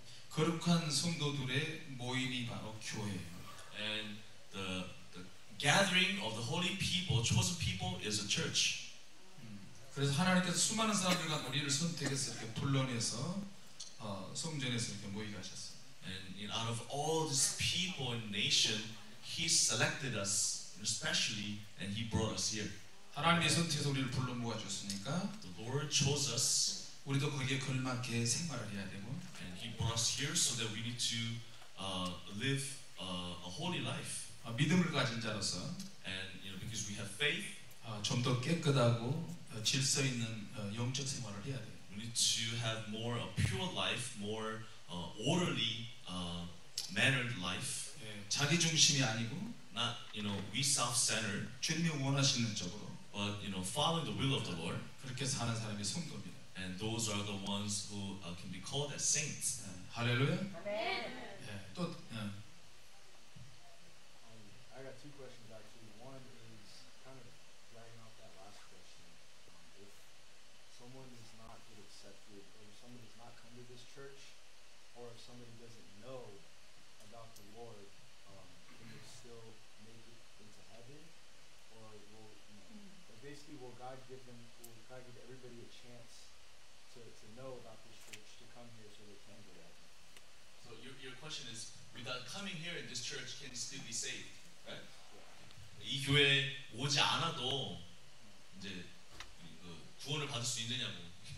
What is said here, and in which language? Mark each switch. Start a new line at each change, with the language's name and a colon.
Korean: 거룩한 성도들의 모임이 바로 교회예요.
English: And the gathering of the holy people, chosen people, is a church.
Korean: 그래서 하나님께서 수많은 사람들과 우리를 선택해서 이렇게 불러내서 성전에서 이렇게 모이게 하셨어.
English: And in, out of all these people and nation, He selected us especially, and He brought us here.
Korean: 하나님의 선택에서 우리를 불러 모아 주셨으니까.
English: The Lord chose us.
Korean: 우리도 거기에 걸맞게 생활을 해야 되고.
English: And He brought us here so that we need to live a holy life.
Korean: 믿음을 가진 자로서
English: and you know because we have faith
Korean: 좀 더 깨끗하고 질서 있는 영적 생활을 해야 돼.
English: We need to have more a pure life, more orderly mannered life.
Korean: 자기 중심이 아니고
English: not you know we self-centered
Korean: 주님이 원하시는 쪽으로
English: but you know following the will of the Lord
Korean: 그렇게 사는 사람이 성도입니다.
English: And those are the ones who can be called as saints.
Korean: 할렐루야. 아멘. 예. 또
English: I got two questions actually. One is kind of dragging off that last question. If someone does not get accepted, or if somebody does not come to this church, or if somebody doesn't know about the Lord, can they still make it into heaven? Or will, you know, basically, will God give them, will God give everybody a chance to know about this church, to come here so they can get out? So your question is, without coming here in this church, can you still be saved? Right?
Korean: 이 교회 오지 않아도 이제 그 구원을 받을 수 있느냐고.